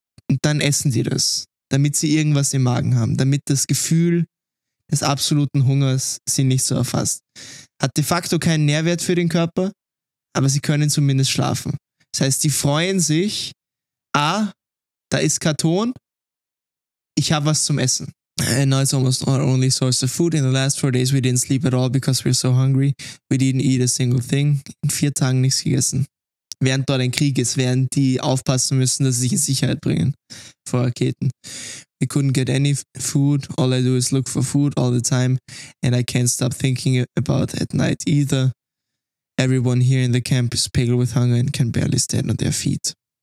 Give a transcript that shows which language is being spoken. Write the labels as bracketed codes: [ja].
[de] Und dann essen sie das, damit sie irgendwas im Magen haben, damit das Gefühl des absoluten Hungers sie nicht so erfasst. Hat de facto keinen Nährwert für den Körper, aber sie können zumindest schlafen. Das heißt, die freuen sich, da ist Karton, ich habe was zum Essen. [en] And now it's almost our only source of food. In the last 4 days we didn't sleep at all because we were so hungry. We didn't eat a single thing. [de] In 4 Tagen nichts gegessen. Während dort ein Krieg ist, während die aufpassen müssen, dass sie sich in Sicherheit bringen vor Raketen. [en] We couldn't get any food. All I do is look for food all the time. And I can't stop thinking about at night either. Everyone here in the camp is pale with hunger and can barely stand on their feet.